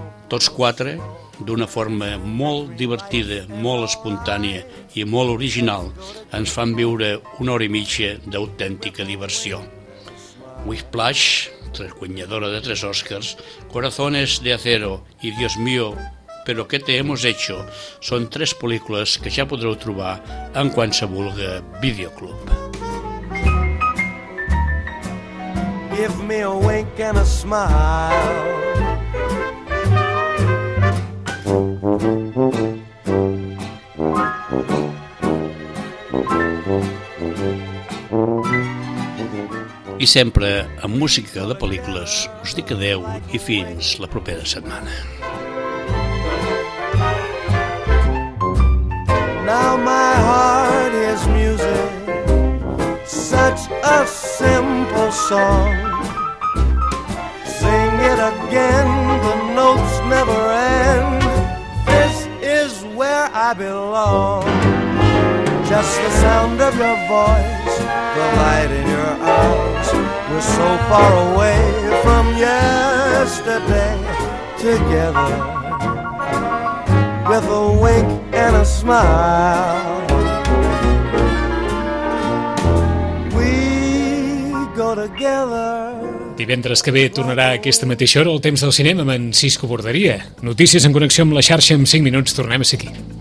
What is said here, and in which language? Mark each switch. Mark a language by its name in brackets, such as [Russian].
[Catalan] Tots 4, d'una forma molt divertida, molt espontània i molt original, ens fan viure una hora i mitja d'autèntica diversió. Whiplash, guanyadora de 3 Oscars, Corazones de Acero i Dios mío, Però què te hemos hecho? Són 3 pel·lícules que ja podreu trobar en qualsevol videoclub. [English] Give me a wink and a smile. [Catalan] I sempre amb música de pel·lícules us dic adeu i fins la propera setmana. [English] Now my heart is music, such a simple song. Sing it again, the notes never end. This is where I belong. Just the sound of your voice, the light in your eyes. We're so far away from yesterday, together. With a wink and a smile, we go together. [Catalan] Divendres que ve tornarà aquesta mateixa hora al Temps del Cinema amb en Cisco Borderia. Notícies en connexió amb la xarxa en 5 minuts. Tornem a seguir.